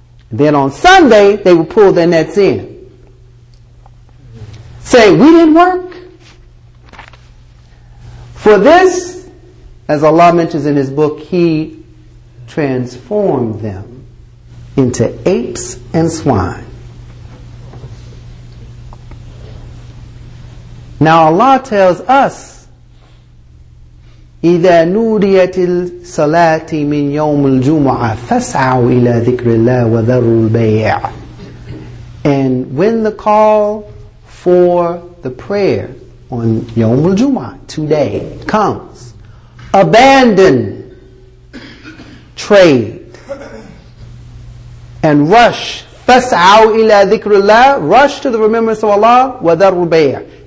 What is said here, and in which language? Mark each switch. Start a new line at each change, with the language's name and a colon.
English: Then on Sunday, they would pull their nets in. Say, we didn't work. For this, As Allah mentions in His book, He transformed them into apes and swine.
Arabic: Now Allah tells us, إِذَا نُودِيَتِ الصَّلَاةِ مِنْ يَوْمِ الْجُمُعَةِ فَاسْعَوْا إِلَى ذِكْرِ اللَّهِ وَذَرُوا الْبَيْعَ.
English: And when the call for the prayer on Yawm al-Jum'ah, today, comes, abandon trade and rush.
Arabic: فَاسْعَوْا إِلَى ذِكْرِ اللَّهِ.
English: Rush to the remembrance of Allah.
Arabic: وَذَرُوا الْبَيْعَ.